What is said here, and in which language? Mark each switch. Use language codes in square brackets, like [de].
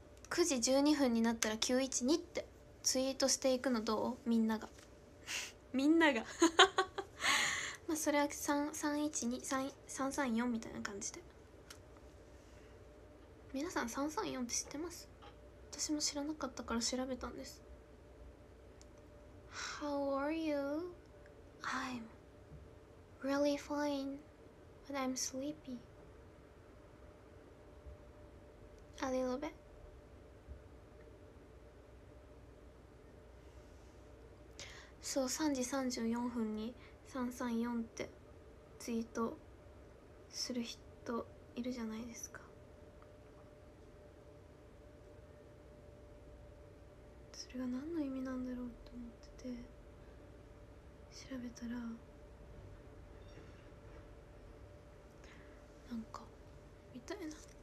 [ja] 9時12分になったら912ってツイートしていくのどう、みんながみんながまあそれは3、3、1、2、3、3、3、4みたいな感じで。皆さん334って知ってます？私も知らなかったから調べたんです。 [en] How are you? I'm really fine but I'm sleepy a little bit。 [ja] そう、3時34分に334ってツイートする人いるじゃないですか。それが何の意味なんだろうと思ってて調べたら、なんかみたいな。